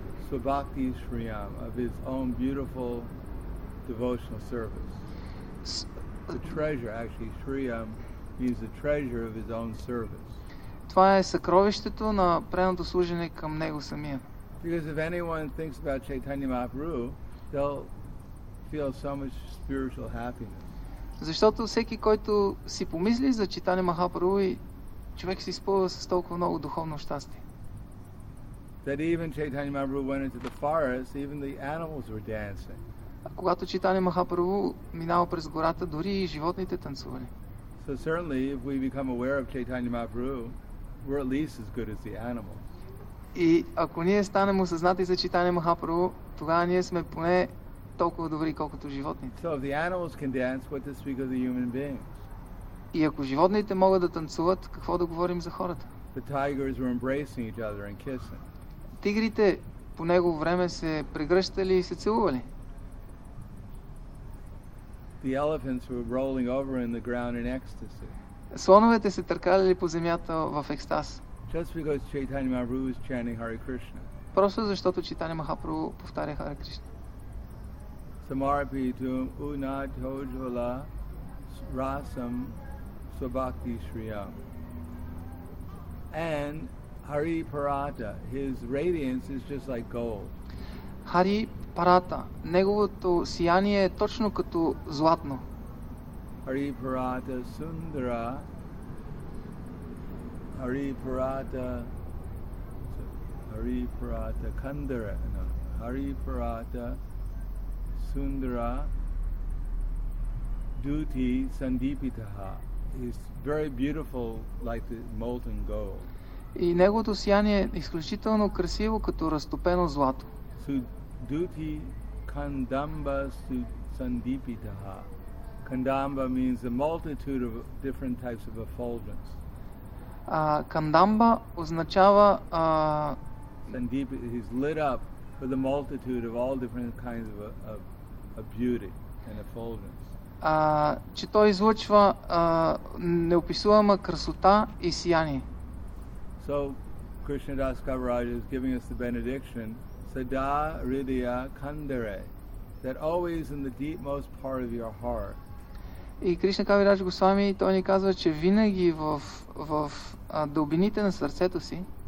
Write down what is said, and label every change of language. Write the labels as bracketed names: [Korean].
[Sanskrit] Svabhakti Shriyam, [English] of his own beautiful devotional service. The treasure, actually, Shriyam means the treasure of his own service. [Bulgarian] Това е съкровището на преното служене към него самия. [English] Because if anyone thinks about Chaitanya Mahaprabhu, they'll feel so much spiritual happiness. [Bulgarian] Защото всеки, който си помисли за Чайтанья Махапрабху, човек се изпълва с толкова много духовно щастие. [English] That even Chaitanya Mahaprabhu went into the forest, even the animals were dancing. [Bulgarian] А когато Чайтанья Махапрабху минава през гората, дори и животните танцували. [English] So certainly, if we become aware of Chaitanya Mahaprabhu, we're at least as good as the animals. [Bulgarian] И ако ние станем осъзнати за Чайтанья Махапрабху, тогава ние сме поне толкова добри, колкото животните. [English] So if the animals can dance, what to speak of the human beings? [Bulgarian] И ако животните могат да танцуват, какво да говорим за хората? [English] The tigers were embracing each other and kissing. [Bulgarian] Тигрите по негово време се прегръщали и се целували. [English] The elephants were rolling over in the ground in ecstasy. [Bulgarian] Слоновете се търкали по земята в екстаз. [English] Just because Chaitanya Mahaprabhu was chanting Hare Krishna. [Bulgarian] Просто защото Чайтанья Махапрабху повтаря Hare Krishna. [Sanskrit] Samarpitum unat hojvala rasam svabhakti shriyam. [English] And Hari Parata, his radiance is just like gold. [Bulgarian] Hari Parata, неговото сияние е точно като златно. [Sanskrit] Hari Parata Sundara. Hari Parata. Hari Parata Kandara. No. Hari Parata Sundara Duti Sandipitaha. [English] He's very beautiful, like the molten gold. [Bulgarian] И неговото сияние е изключително красиво, като разтопено злато. [Sanskrit] Duti Kandamba Sandipitaha. [English] Kandamba means a multitude of different types of effulgence. [Bulgarian] Kandamba означава [English] Sandipita, he's lit up with a multitude of all different kinds of a beauty and effulgence. [Bulgarian] Че той излъчва неописуема красота и сияние. [English] So Krishna Das Kaviraj is giving us the benediction [Sanskrit] Sada Ridya Kandare, [English] that always in the deepmost part of your heart. [Bulgarian] И Кришна Кавирадж Госвами, той ни казва, че винаги в дълбините на сърцето си